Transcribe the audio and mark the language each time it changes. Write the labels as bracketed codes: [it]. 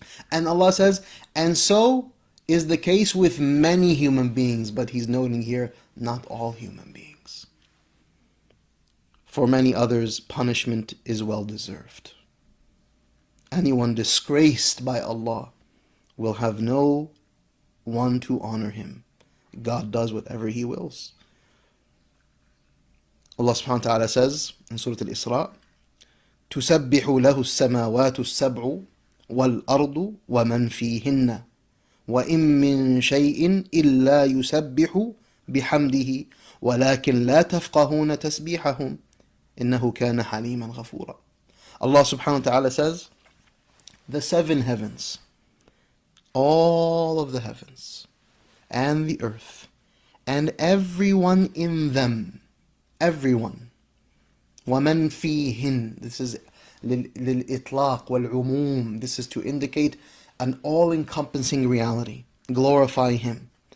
[en] And Allah says, and so is the case with many human beings, but He's noting here, not all human beings. For many others, punishment is well deserved. Anyone disgraced by Allah will have no one to honor him. God does whatever He wills. Allah subhanahu wa ta'ala says in Surah Al-Isra, [ar] تُسَبِّحُ لَهُ السَّمَاوَاتُ السَّبْعُ وَالْأَرْضُ وَمَنْ فِيهِنَّ وَإِن مِّن شَيْءٍ إِلَّا يُسَبِّحُ بحمده ولكن لا تفقهون تسبيحهم إنه كان حليما غفورا. [en] Allah subhanahu wa ta'ala says, the seven heavens, all of the heavens, and the earth, and everyone in them, everyone, [ar] وَمَن فِيهِن, [en] this is [ar] لِلْإِطْلَاقِ وَالْعُمُومِ, [en] this is to indicate an all-encompassing reality, glorify Him.